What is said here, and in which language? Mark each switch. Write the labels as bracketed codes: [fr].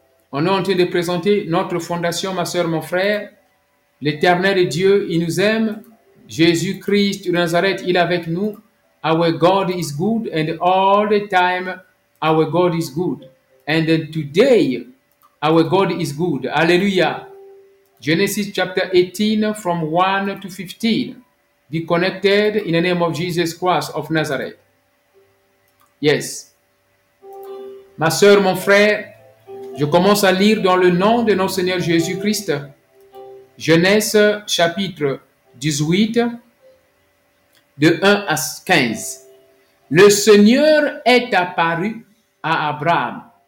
[fr] On est en train de présenter notre fondation, ma soeur, mon frère. L'éternel Dieu, il nous aime. Jésus-Christ de Nazareth, il est avec nous. [en] Our God is good. And all the time, our God is good. And today, our God is good. Alléluia. Genesis chapter 18 from 1 to 15. Be connected in the name of Jesus Christ of Nazareth. Yes. [fr] Ma soeur, mon frère, je commence à lire dans le nom de notre Seigneur Jésus-Christ. Genèse chapitre 18, de 1 à 15. Le Seigneur est apparu à Abraham.